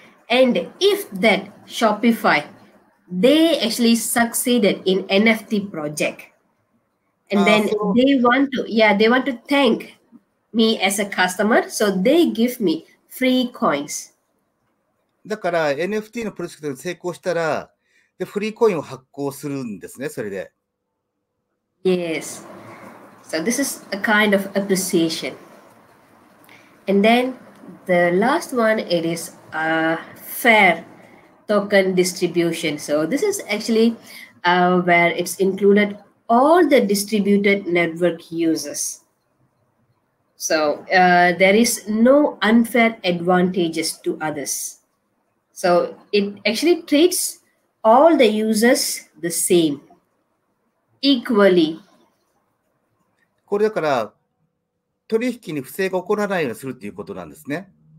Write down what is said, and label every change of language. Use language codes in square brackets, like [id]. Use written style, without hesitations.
[en] And if that Shopify, they actually succeeded in NFT project, and then they want to thank me as a customer, so they give me free coins. [ja] だから NFT のプロジェクトに成功したら、でフリーコインを発行するんですね、それで。 [en] Yes. So this is a kind of appreciation. And then the last one, it is a fair token distribution. So this is actually where it's included all the distributed network users. So there is no unfair advantages to others. So it actually treats all the users the same, equally. [ja] これだから取引に不正が起こらないようにするということなんですね。